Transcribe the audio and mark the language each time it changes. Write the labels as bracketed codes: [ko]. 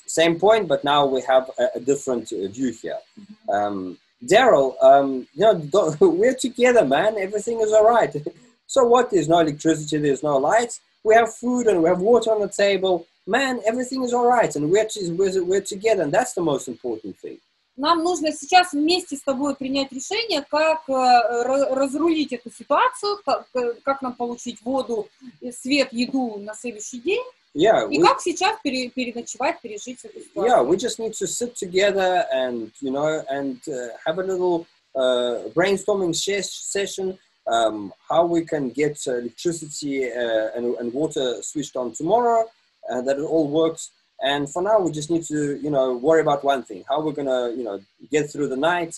[en] Same point, but now we have a different view here. Daryl, you know, we're together, man. Everything is all right. So what? There's no electricity, there's no lights. We have food and we have water on the table. Man, everything is all right. And we're together, and that's the most important thing. [ru] Нам нужно сейчас вместе с тобой принять решение, как разрулить эту ситуацию, как нам получить воду, свет, еду на следующий день, [en] yeah, [ru] и как сейчас переночевать, пережить эту ситуацию. [en] Yeah, we just need to sit together and, you know, and have a little brainstorming session, how we can get electricity and water switched on tomorrow, that it all works. And for now, we just need to, you know, worry about one thing. How are we going to, you know, get through the night?